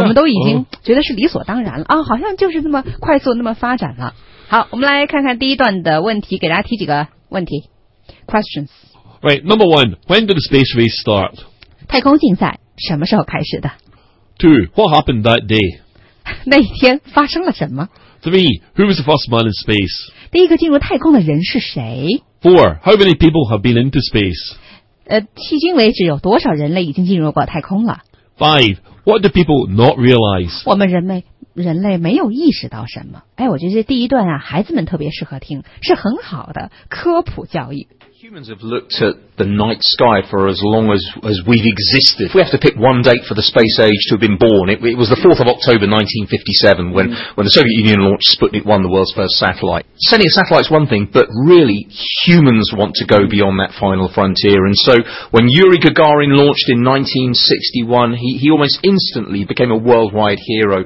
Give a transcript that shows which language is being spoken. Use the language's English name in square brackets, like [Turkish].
[Chinese] 我们都已经觉得是理所当然了、好像就是那么快速那么发展了。好，我们来看看第一段的问题，给大家提几个问题 ,questions. [English] Right, number one, when did the space race start? [Chinese] 太空竞赛什么时候开始的 [English] ?Two, what happened that day? [Chinese] 那一天发生了什么 [English] ?Three, who was the first man in space? [Chinese] 第一个进入太空的人是谁 [English] ?Four, how many people have been into space? [Chinese] 迄今为止有多少人类已经进入过太空了 [English] ?Five, what do people not realize? [Chinese] 我们人类没有意识到什么。哎，我觉得这第一段啊孩子们特别适合听，是很好的科普教育。 [English] Humans have looked at the night sky for as long as we've existed. If we have to pick one date for the space age to have been born, it was the 4th of October 1957 when the Soviet Union launched Sputnik 1, the world's first satellite. Sending a satellite is one thing, but really humans want to go beyond that final frontier. And so when Yuri Gagarin launched in 1961, he almost instantly became a worldwide hero.